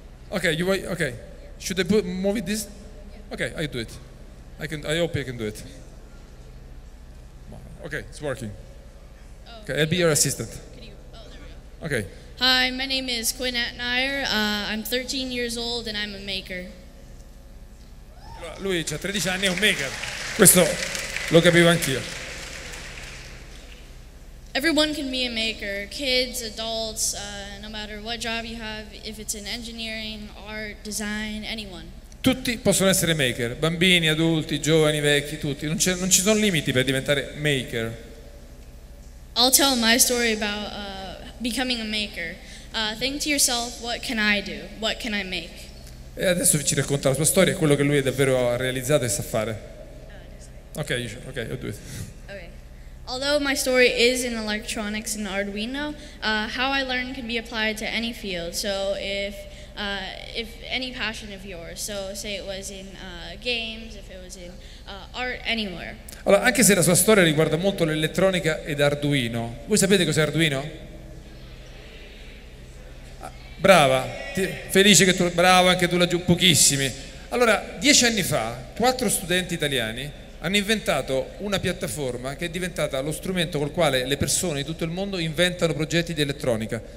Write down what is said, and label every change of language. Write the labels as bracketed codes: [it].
[en] Ok, you wait, ok. Should I put, move this? Ok, I do it. I hope you can do it. Ok, it's working. Ok, I'll be your assistant. Ok. Hi, my name is Quinn Attenayer. I'm 13 years old and I'm a maker. [it] Lui c'ha 13 anni e è un maker. Questo lo capivo anch'io. [en] Everyone can be a maker, kids, adults, no matter what job you have, if it's in engineering, art, design, anyone. [it] Tutti possono essere maker, bambini, adulti, giovani, vecchi, tutti. Non ci sono limiti per diventare maker. [en] I'll tell my story about becoming a maker. Think to yourself, what can I do? What can I make? [it] E adesso vi ci racconta la sua storia, quello che lui è davvero realizzato e sa fare. [en] Okay, I'll do it. Although my story is in electronics and Arduino, how I learn can be applied to any field. So if any passion of yours, so say it was in games, if it was in art, anywhere. [it] Allora, anche se la sua storia riguarda molto l'elettronica ed Arduino, voi sapete cos'è Arduino? Brava, felice che tu, bravo anche tu laggiù, pochissimi. Allora, 10 anni fa, 4 studenti italiani hanno inventato una piattaforma che è diventata lo strumento col quale le persone di tutto il mondo inventano progetti di elettronica.